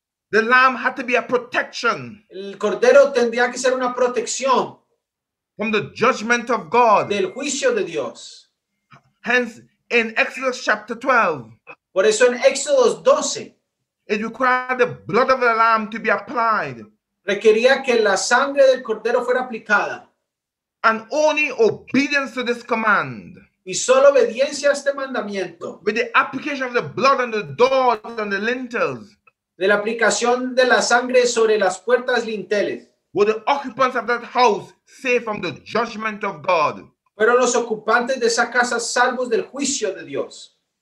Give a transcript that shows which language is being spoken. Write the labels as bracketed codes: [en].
[en] The lamb had to be a protection. [es] El cordero tendría que ser una protección. [en] From the judgment of God. [es] Del juicio de Dios. [en] Hence, in Exodus chapter 12. [es] Por eso en Éxodo 12. [en] It required the blood of the lamb to be applied. [es] Requería que la sangre del cordero fuera aplicada. [en] And only obedience to this command. [es] Y solo obediencia a este mandamiento. [en] With the application of the blood on the doors and the lintels. [es] De la aplicación de la sangre sobre las puertas linteles. [en] Were the occupants of that house safe from the judgment of God. [es] Fueron los ocupantes de esa casa salvos del juicio de Dios.